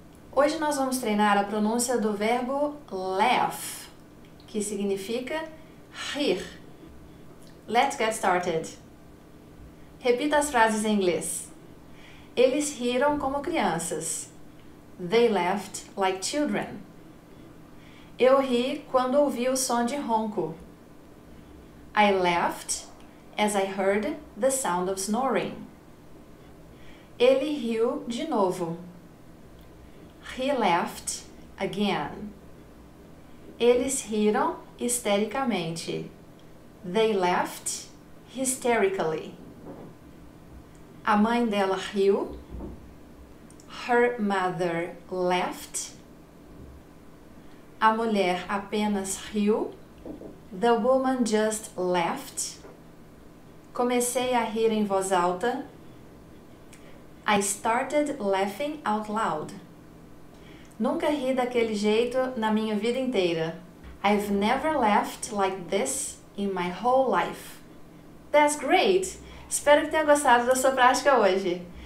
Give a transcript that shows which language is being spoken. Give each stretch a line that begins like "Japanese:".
Portuguese: Hoje nós vamos treinar a pronúncia do verbo laugh, que significa rir.
English: Let's get started!
Portuguese: Repita as frases em inglês. Eles riram como crianças.
English: They laughed like children.
Portuguese: Eu ri quando ouvi o som de ronco.
English: I laughed as I heard the sound of snoring.
Portuguese: Ele riu de novo.
English: He laughed again.
Portuguese: Eles riram histericamente.
English: They laughed hysterically.
Portuguese: A mãe dela riu.
English: Her mother laughed.
Portuguese: A mulher apenas riu.
English: The woman just laughed.
Portuguese: Comecei a rir em voz alta.
English: I started laughing out loud.
Portuguese: Nunca ri daquele jeito na minha vida inteira.
English: I've never laughed like this in my whole life. That's great!
Portuguese: Espero que tenha gostado da sua prática hoje.